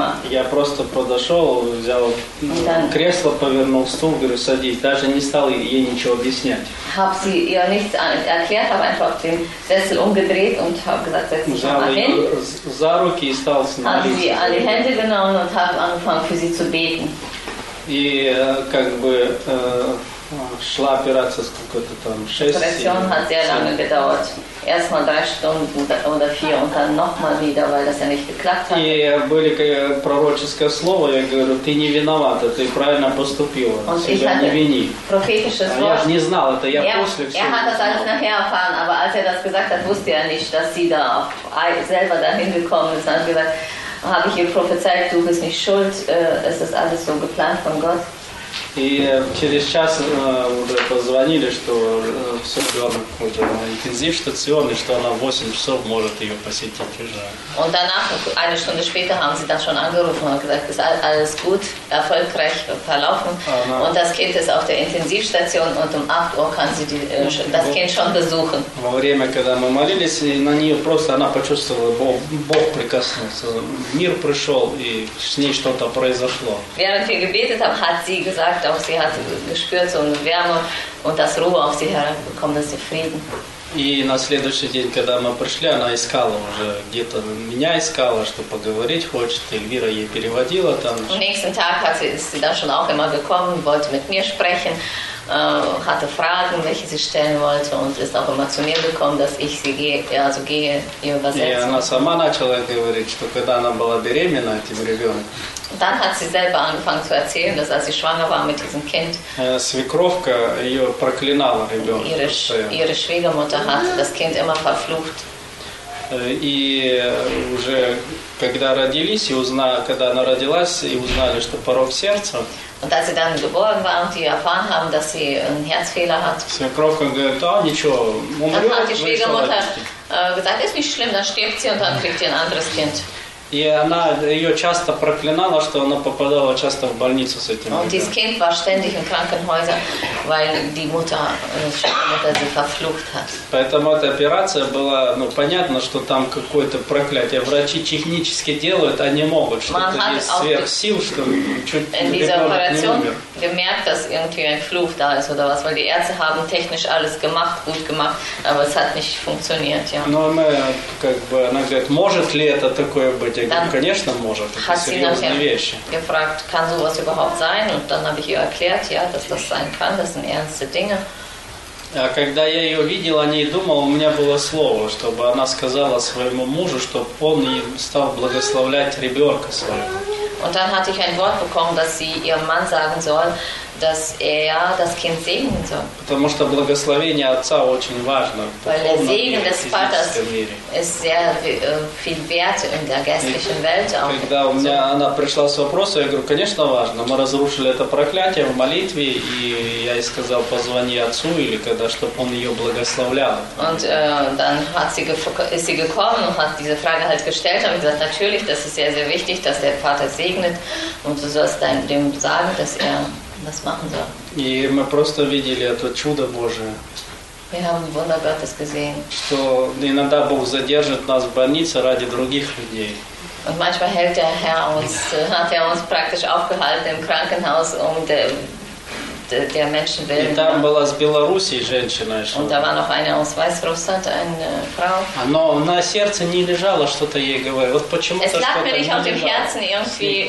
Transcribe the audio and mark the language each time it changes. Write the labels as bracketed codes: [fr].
[ru] Я просто подошел, взял кресло, повернул стул, говорю, садись. Даже не стал ей ничего объяснять. [de] Hab sie ihr nichts erklärt, habe einfach den Sessel umgedreht und habe gesagt, setz dich mal hin. [ru] За руки и стал с ней. [de] Habe sie alle Hände genommen und habe angefangen für sie zu beten. [ru] И как бы шла операция сколько-то там 6. [de] Operation hat sehr lange gedauert. Erstmal 3 Stunden oder 4 und dann nochmal wieder, weil das ja nicht geklappt hat. [ru] И были пророческое слово, я говорю, ты не виновата, ты правильно поступила. Себя не вини. [de] Prophetisches Wort. [ru] Я же не знал это, я после всего. [de] Er hat das alles nachher erfahren, aber als er das gesagt hat, wusste er nicht, dass sie da selber dahin gekommen ist. Dann gesagt, habe ich ihr prophezeit, du bist nicht schuld, es ist alles so geplant von Gott. [ru] И через час уже позвонили, что все ребенок уже на интенсив стационе, что она 8 часов может ее посетить уже. [de] Und danach, eine Stunde später, haben sie das schon angerufen und gesagt, es ist alles gut, erfolgreich verlaufen. Und das Kind ist auf der Intensivstation und um 8 Uhr kann sie das Kind schon besuchen. [ru] Во время, когда мы молились, на нее просто она почувствовала, Бог прикоснулся, мир пришел и с ней что-то произошло. [de] Während wir gebetet haben, hat sie gesagt, auch sie hat gespürt so eine Wärme und das Ruhe auf sie herabgekommen, dass sie Frieden. [ru] И на следующий день, когда мы пришли, она искала уже, где-то меня искала, что поговорить хочет, Эльвира ей переводила там. [de] Am nächsten Tag hat sie dann schon auch immer gekommen, wollte mit mir sprechen, hatte Fragen, welche sie stellen wollte und ist auch immer zu mir gekommen, dass ich sie gehe, ihr übersetze. [ru] И она сама начала говорить, что когда она была беременна этим ребенком. [de] Dann hat sie selber angefangen zu erzählen, dass als sie schwanger war mit diesem Kind, [ru] свекровка ее проклинала ребенка. [de] Ihre Schwiegermutter hat das Kind immer verflucht. [ru] И уже когда родились, когда она родилась, и узнали, что порок сердца. [de] Und als sie dann geboren war und die erfahren haben, dass sie einen Herzfehler hat, [ru] свекровка говорит, а ничего, умрет, [de] dann hat die Schwiegermutter gesagt, ist nicht schlimm, dann stirbt sie und dann kriegt sie ein anderes Kind. [ru] И она ее часто проклинала, что она попадала часто в больницу с этим. [de] Und dieses Kind war ständig in Krankenhäuser, weil die Mutter, sie verflucht hat. [ru] Поэтому эта операция была, ну понятно, что там какое-то проклятие. Врачи технически делают, они могут что-то есть сверх сил, что чуть не умер. [de] In dieser Operation gemerkt, dass irgendwie ein Fluch da ist oder was, weil die Ärzte haben technisch alles gemacht, gut gemacht, aber es hat nicht funktioniert, ja. [ru] Ну мы как бы, она говорит, может ли это такое быть? Я говорю, конечно, может, это серьезные вещи. [de] Gefragt, kann sowas überhaupt sein? Und dann habe ich ihr erklärt, ja, dass das sein kann, das sind ernste Dinge. [ru] А когда я ее видел, о ней думал, у меня было слово, чтобы она сказала своему мужу, чтобы он стал благословлять ребенка своего. [de] Und dann hatte ich ein Wort bekommen, dass sie ihrem Mann sagen soll, dass das Kind segnen soll. [ru] Потому что благословение отца очень важно. [de] Weil der Segen des Vaters ist sehr viel wert in der geistlichen Welt. [ru] Когда у меня она пришла с вопросом, я говорю, конечно, важно. Мы разрушили это проклятие в молитве, и я ей сказал, позвони отцу или когда, чтобы он ее благословлял. [de] Und dann hat sie gekommen und hat diese Frage halt gestellt und gesagt, natürlich, das ist sehr, sehr wichtig, dass der Vater segnet und du sollst dem sagen, dass das machen soll. [ru] И мы просто видели это чудо Божие. [de] Wir haben Wunder Gottes gesehen. [ru] Что иногда Бог задержит нас в больнице ради других людей. [de] Und manchmal hält der Herr uns, hat er uns praktisch aufgehalten im Krankenhaus, der Menschen willen. [ru] И там была с Белоруссии женщина. [de] Und da war noch eine aus Weißrussland, eine Frau. [ru] Но на сердце не лежало что-то ей говорить. Вот почему-то что-то не лежало. [de] Es lag mir nicht auf dem Herzen irgendwie.